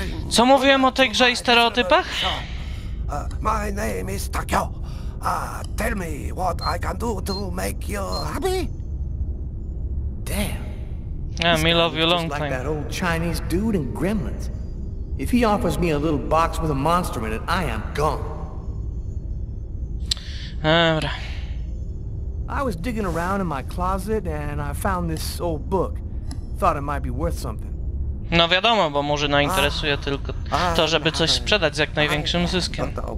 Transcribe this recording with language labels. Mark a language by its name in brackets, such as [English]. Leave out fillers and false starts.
[Polish] Co mówiłem o tej grze i stereotypach? [English] My name is Takio. Tell me what I can do to make you happy. Damn. Yeah, me love you long time. Like that old Chinese dude in Gremlins. If he offers me a little box with a monster in it, I am gone. [Polish] Dobra. [English] I was digging around in my closet and I found this old book. Thought it might be worth something. [Polish] No wiadomo, bo Murzyna interesuje tylko to, żeby coś sprzedać z jak największym zyskiem.